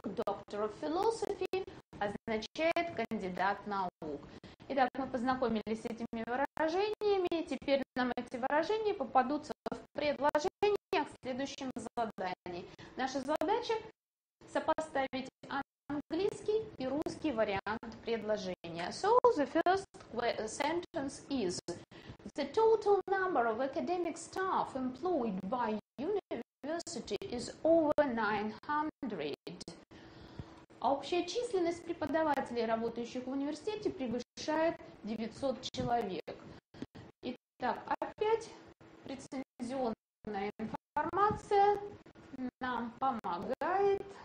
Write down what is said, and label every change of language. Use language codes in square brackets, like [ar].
[en] Doctor of Philosophy [ru] означает кандидат наук. Итак, мы познакомились с этими выражениями. Теперь нам эти выражения попадутся в предложениях в следующем задании. Наша задача – сопоставить английский вариант предложения. [en] So the first sentence is: the total number of academic staff employed by university is over 900. [ru] Общая численность преподавателей, работающих в университете, превышает 900 человек. Итак, опять прецензионная информация нам помогает.